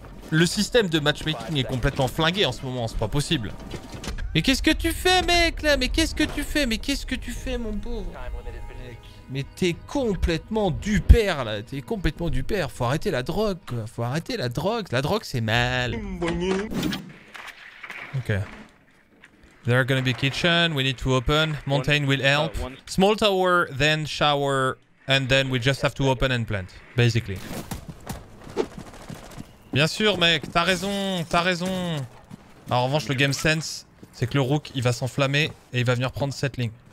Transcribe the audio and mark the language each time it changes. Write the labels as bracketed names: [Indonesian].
[French] Le système de matchmaking est complètement flingué en ce moment, c'est pas possible. Mais qu'est-ce que tu fais mec là? Mais qu'est-ce que tu fais? Mais qu'est-ce que tu fais mon pauvre? Mais t'es complètement du père là, t'es complètement du père. Faut arrêter la drogue quoi, faut arrêter la drogue. La drogue c'est mal. Ok. [English] There are gonna be kitchen, we need to open. Mountain will help. Small tower, then shower, and then we just have to open and plant, basically. [French] Bien sûr mec, t'as raison, t'as raison. Alors, en revanche, le game sense, c'est que le rook, il va s'enflammer et il va venir prendre cette ligne.